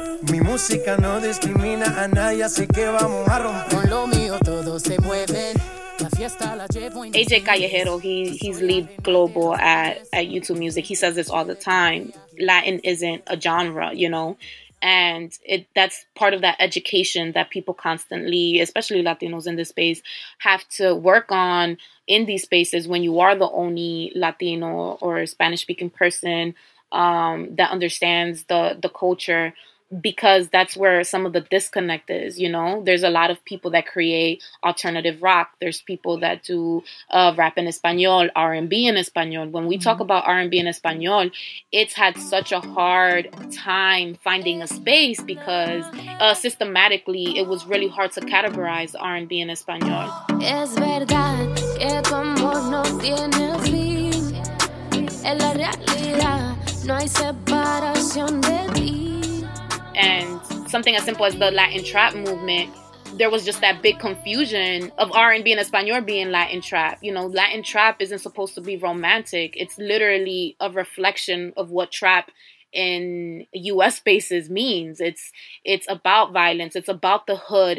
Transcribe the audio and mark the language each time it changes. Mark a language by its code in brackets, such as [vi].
[es] Mi música no discrimina a nadie, así que vamos a romper. Con lo mío todo se mueve. La fiesta [en] AJ Callejero, he's lead global at YouTube Music. He says this all the time. Latin isn't a genre, you know? And that's part of that education that people constantly, especially Latinos in this space, have to work on in these spaces when you are the only Latino or Spanish-speaking person that understands the culture, because that's where some of the disconnect is, you know? There's a lot of people that create alternative rock. There's people that do rap in Espanol, R&B in Espanol. When we talk about R&B in Espanol, it's had such a hard time finding a space because systematically, it was really hard to categorize R&B in Espanol. [es] Es verdad que tu amor no tiene fin. En la realidad no hay separación de ti. [en] And something as simple as the Latin trap movement, there was just that big confusion of R&B and Espanol being Latin trap. You know, Latin trap isn't supposed to be romantic. It's literally a reflection of what trap in U.S. spaces means. It's about violence. It's about the hood.